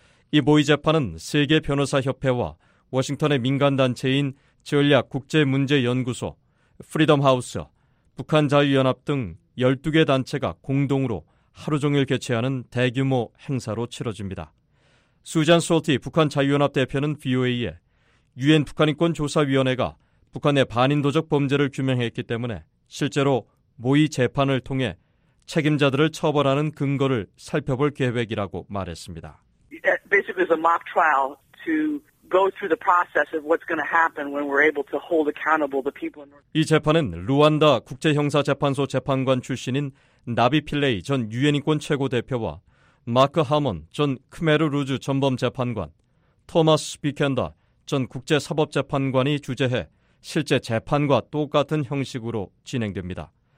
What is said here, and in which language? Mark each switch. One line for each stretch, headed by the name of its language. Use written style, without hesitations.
Korean: 이 모의재판은 세계변호사협회와 워싱턴의 민간단체인 전략국제문제연구소, 프리덤하우스, 북한자유연합 등 12개 단체가 공동으로 하루 종일 개최하는 대규모 행사로 치러집니다. 수잔 소티 북한자유연합 대표는 VOA에 유엔 북한인권조사위원회가 북한의 반인도적 범죄를 규명했기 때문에 실제로 모의 재판을 통해 책임자들을 처벌하는 근거를 살펴볼 계획이라고 말했습니다.
English: Basically it's a mock trial to go through the process of what's going to happen when we're able to hold accountable the people in North.
Korean: 이 재판은 루완다 국제 형사 재판소 재판관 출신인 나비 필레이 전 유엔 인권 최고 대표와 마크 하먼 전 크메르 루즈 전범 재판관, 토마스 비켄다 전 국제 사법 재판관이 주재해 실제 재판과 똑같은 형식으로 진행됩니다.